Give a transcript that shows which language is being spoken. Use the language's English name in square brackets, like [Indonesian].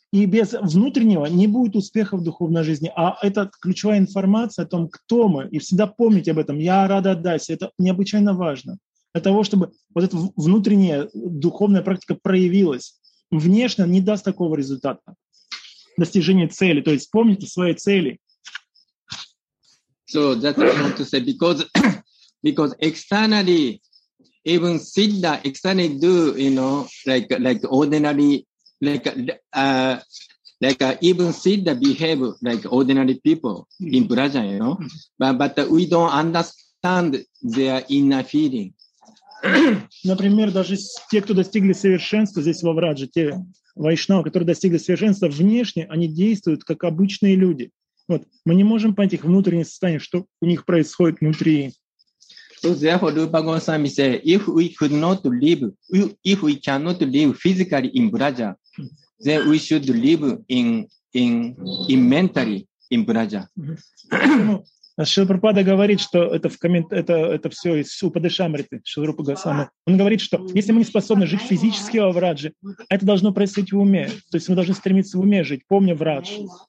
[Russian] И без внутреннего не будет успеха в духовной жизни. А это ключевая информация о том, кто мы. И всегда помните об этом. Я рада даси. Это необычайно важно. Для того, чтобы вот эта внутренняя духовная практика проявилась. Внешне не даст такого результата. Достижение цели. То есть помните свои цели. [English] So that's what I want to say, because externally, even Siddha externally do, you know, like ordinary, even Siddha behave like ordinary people in Braja, you know, but we don't understand their inner feeling. [Russian] Например, даже те, кто достигли совершенства здесь во Врадже, те вайшнавы, которые достигли совершенства внешне, они действуют как обычные люди. Вот. Мы не можем понять их внутреннее состояние, что у них происходит внутри. [English] So therefore, Rupa Goswami said, if we could not live, if we cannot live physically in Braja, then we should live in mentally in Braja. [Russian] Шрила Прабхупада говорит, что это в комментарии, это все из Упадешамриты, Шрила Рупа Госвами. Он говорит, что если мы не способны жить физически во Врадже, это должно происходить в уме. То есть мы должны стремиться в уме жить, помня Врадж.